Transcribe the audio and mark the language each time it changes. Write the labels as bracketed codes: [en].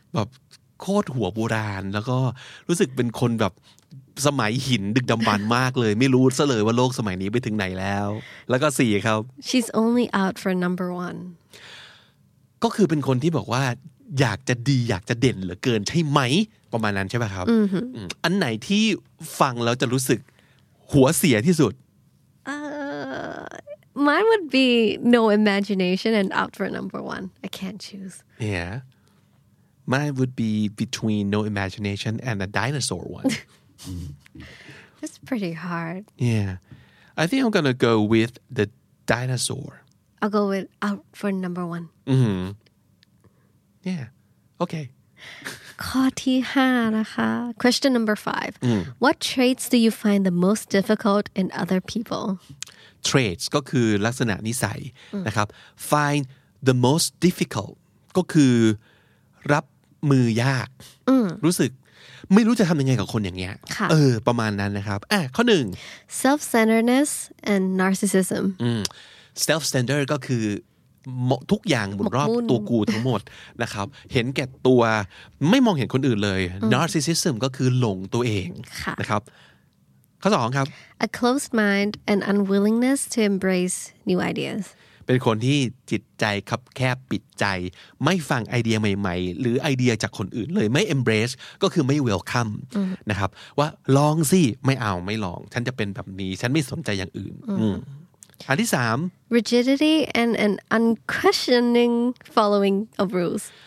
[th] แบบโคตรหัวโบราณแล้วก็รู้สึกเป็นคนแบบสมัยหินดึกดำบรรพ์มากเลยไม่รู้ซะเลยว่าโลกสมัยนี้ไปถึงไหนแล้วแล้วก็4ครับ [en] she's only out for number 1 [th] ก็คือเป็นคนที่บอกว่าอยากจะดีอยากจะเด่นเหลือเกินใช่ไหม ประมาณนั้นใช่ป่ะครับอันไหนที่ฟังแล้วจะรู้สึกหัวเสียที่สุด [en] Mine would be no imagination and outward number one. I can't choose. Yeah. Mine would be between no imagination and a dinosaur one. That's pretty hard. Yeah. I think I'm going to go with the dinosaur. I'll go with out for number one. Mm-hmm. Yeah. Okay. [th] ข้อที่5นะคะ [en] Question number 5. What traits do you find the most difficult in other people? [th] Traits ก็คือลักษณะนิสัยนะครับ [en] Find the most difficult [th] ก็คือรับมือยากรู้สึกไม่รู้จะทำยังไงกับคนอย่างเงี้ยประมาณนั้นนะครับข้อ1 [en] Self-centeredness and narcissism [th] Self-centered ก็คือทุกอย่างรอบตัวกูทั้งหมดนะครับเห็นแก่ตัวไม่มองเห็นคนอื่นเลย Narcissism ก็คือหลงตัวเองนะครับข้อ2ครับ [en] A closed mind and unwillingness to embrace new ideas [th] เป็นคนที่จิตใจคับแคบปิดใจไม่ฟังไอเดียใหม่ๆหรือไอเดียจากคนอื่นเลยไม่ embrace ก็คือไม่ welcome นะครับว่าลองสิไม่เอาไม่ลองฉันจะเป็นแบบนี้ฉันไม่สนใจอย่างอื่นอันที่3 [en] rigidity and an unquestioning following of rules